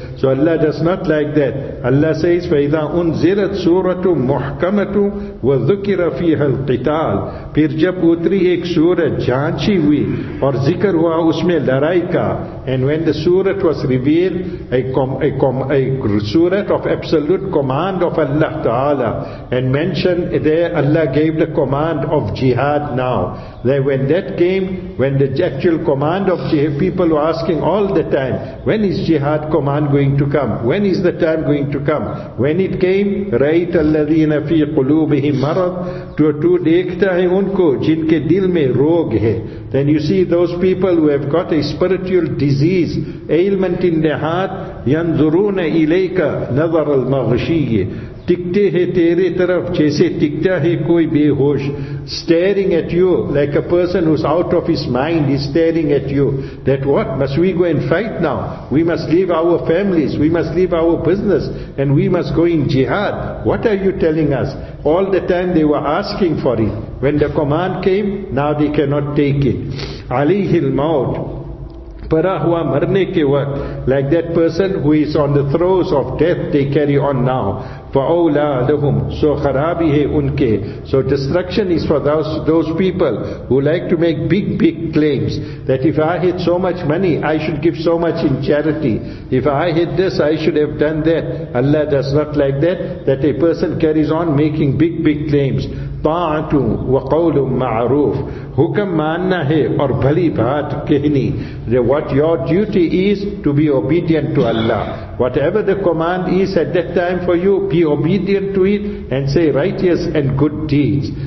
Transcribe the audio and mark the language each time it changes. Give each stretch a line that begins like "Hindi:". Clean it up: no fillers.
English: So Allah does not like that. Allah says,
Arabic: فَإِذَا أُنزِلَتْ سُورَةُ مُحْكَمَةٌ وَذُكِرَ فِيهَا الْقِتَالِ
Urdu: پھر جب اتری ایک سورت جانچی ہوئی اور ذکر ہوا اس میں لڑائی کا,
English: and when the surah was revealed, a surah of absolute command of Allah Ta'ala, and mentioned there Allah gave the command of jihad now. Then when that came, when the actual command of jihad, people were asking all the time, when is jihad command going to come? When is the time going to come? When it came,
Arabic: رَيْتَ الَّذِينَ فِي قُلُوبِهِمْ مَرَضٌ
Urdu: تُو دیکھتا ہے ان کو جن کے دل میں روگ ہے.
English: Then you see those people who have got a spiritual disease, ailment in their heart,
Arabic: يَنْظُرُونَ إِلَيْكَ نَظَرَ الْمَغْشِيِّ
Urdu: ٹکتے ہیں تیرے طرف جیسے ٹکتا ہے کوئی بے ہوش,
English: staring at you like a person who's out of his mind is staring at you. That what? Must we go and fight now? We must leave our families, we must leave our business, and we must go in jihad. What are you telling us? All the time they were asking for it. When the command came, now they cannot take it.
Arabic: عَلَيْهِ الْمَوْتِ
Urdu: پرا ہوا مرنے کے وقت,
English: like that person who is on the throes of death, they carry on now.
Arabic: فَأَوْلَا لَهُمْ
Urdu: سو خرابی ہے ان کے.
English: So destruction is for those people who like to make big claims, that if I had so much money, I should give so much in charity. If I had this, I should have done that. Allah does not like that, that a person carries on making big claims.
Arabic: طَاعَةٌ وَقَوْلٌ مَعْرُوفٌ
Urdu: حُکم ماننا ہے اور بھلی بات کہنی.
English: What your duty is, to be obedient to Allah. Whatever the command is at that time for you, be obedient to it and say righteous and good deeds.